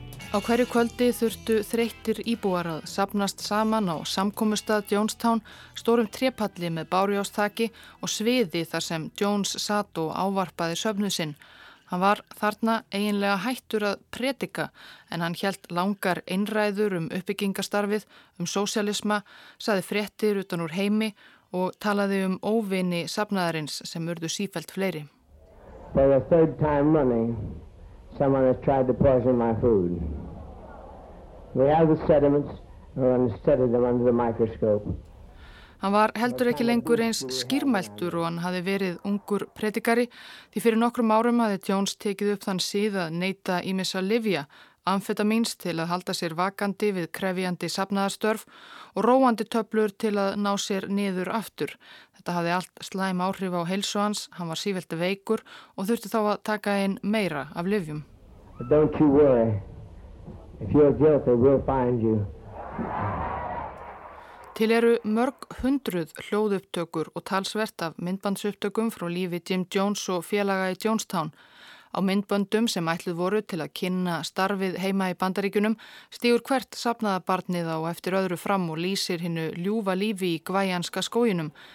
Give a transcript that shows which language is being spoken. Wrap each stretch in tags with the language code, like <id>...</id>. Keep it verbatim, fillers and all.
<is>Á hverju kvöldi þurftu þreyttir íbúar að safnast saman á samkomustað Jonestown, stórum trépalli með bárjástaki og sviði þar sem Jones sat og ávarpaði söfnuð sinn. Hann var þarna eiginlega hættur að predika, en hann hélt langar einræður um uppbyggingastarfið, um sósialisma, sagði fréttir utan úr heimi og talaði um óvini safnaðarins sem urðu sífellt fleiri.</is> <en>For the third time running, someone has tried to poison my food. We have the sediments, and we're going to study them under the microscope.</en> <is>Hann var heldur ekki lengur eins skýrmæltur og hann hafði verið ungur predikari, því fyrir nokkrum árum hafði Jones tekið upp þann síð að neyta ýmis að lyfja, amfetamíns til að halda sér vakandi við krefjandi safnaðarstörf og róandi töflur til að ná sér niður aftur. Þetta hafði allt slæm áhrif á heilsu hans, hann var sífellt veikur og þurfti þá að taka einn meira af lyfjum.</is> <en>Don't you worry. If you're guilty, we'll find you.</en> <is>Til eru mörg hundruð hljóðupptökur og talsvert af myndbandsupptökum frá lífi Jim Jones og félaga í Jonestown. Á myndböndum sem ætluð voru til að kynna starfið heima í Bandaríkjunum stígur hvert safnaðabarnið á eftir öðru fram og lýsir hinnu ljúfa lífi í gvæjanska skóginum.</is>